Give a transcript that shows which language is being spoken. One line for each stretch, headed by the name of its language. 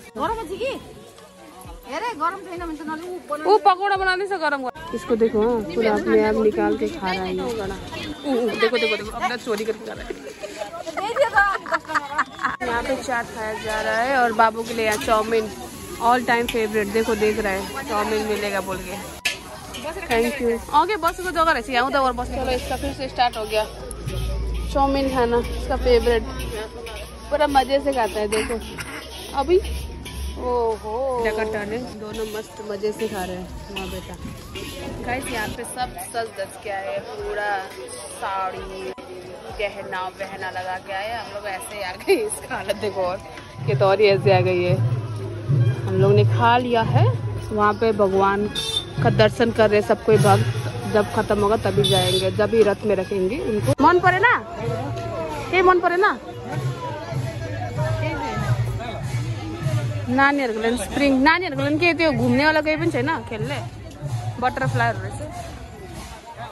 Nepali: गरम छ कि हेर, गरम छैन भने त नले ऊ पकौडा बनाउँदैछ गरम।
Hindi: इसको देखो पूरा अपने आप निकाल के खा रहा है। देखो देखो देखो अपना चोरी करके खा रहा है। यहाँ पे चाट खाया जा रहा है, और बाबू के लिए यहाँ चाउमीन ऑल टाइम फेवरेट। देखो देख रहा है चाउमीन मिलेगा बोल के। Thank you. ओके बस को जगह रहती है, और बस चलो इसका फिर से स्टार्ट हो गया। चाउमीन खाना इसका फेवरेट, बड़ा मजे से खाता है। देखो अभी ओहो कटा ने दोनों मस्त मजे से खा रहे हैं। वहाँ बेटा गाइस यहाँ पे सब सज धज के आए, पूरा साड़ी गहना बहना लगा के आए। हम लोग ऐसे आ गए, इसका हालत देखो और के दौर ऐसे आ गई है। हम लोग ने खा लिया है, वहाँ पे भगवान का दर्शन कर रहे सब कोई भक्त। जब खत्म होगा तभी जाएंगे, जब ही रथ में रखेंगे उनको।
Nepali: मन पड़े ना के, मन पड़े ना नानीहरूको लागि स्प्रिङ, नानीहरूको लागि केही त्यो घुम्नेवाला केही पनि छैन, खेल्ने बटरफ्लाईहरू रहेछ।